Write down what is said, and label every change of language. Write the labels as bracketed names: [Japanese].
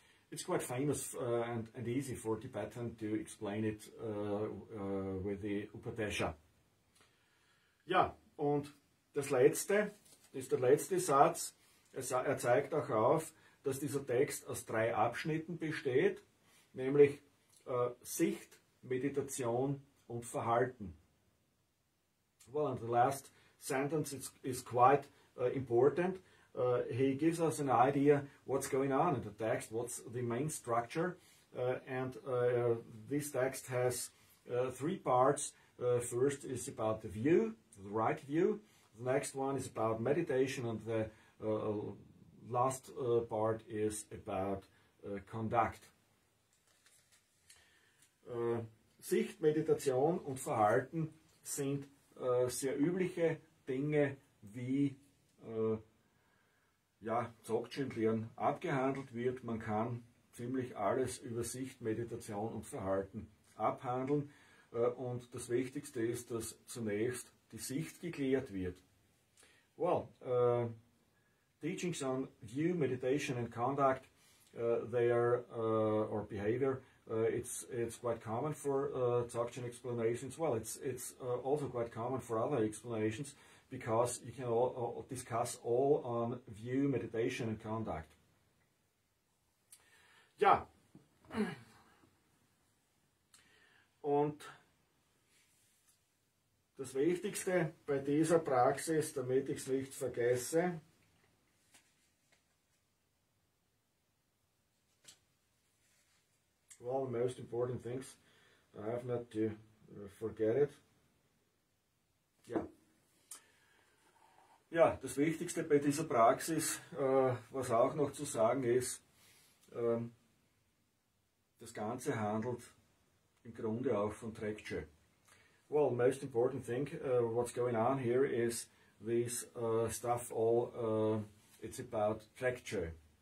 [English] It's quite famous and easy for Tibetan to explain it with the Upadesha. [German] Ja, und das letzte ist der letzte Satz. Er zeigt auch auf, dass dieser Text aus drei Abschnitten besteht, nämlich Sicht, Meditation und Verhalten. [English] Well, and the last sentence is quite important. He gives us an idea what's going on in the text, what's the main structure. And this text has three parts. First is about the view, the right view. The next one is about meditation. And the last part is about conduct. [German] Sicht, Meditation und Verhalten sind sehr übliche Dinge, wie ja, Dzogchen-Lehren abgehandelt wird. Man kann ziemlich alles über Sicht, Meditation und Verhalten abhandeln. Und das Wichtigste ist, dass zunächst die Sicht geklärt wird. [English] Well, teachings on view, meditation and conduct, they are, or behavior, it's quite common for Dzogchen explanations. Well, it's also quite common for other explanations, because you can all discuss all on view, meditation, and conduct. Ja, und das Wichtigste bei dieser Praxis, damit ich es nicht vergesse, well, the most important things, I have not to forget it. [German] Ja, das Wichtigste bei dieser Praxis, was auch noch zu sagen ist, das Ganze handelt im Grunde auch von Trekche. [English] Well, most important thing, what's going on here is this stuff all, it's about Trekche.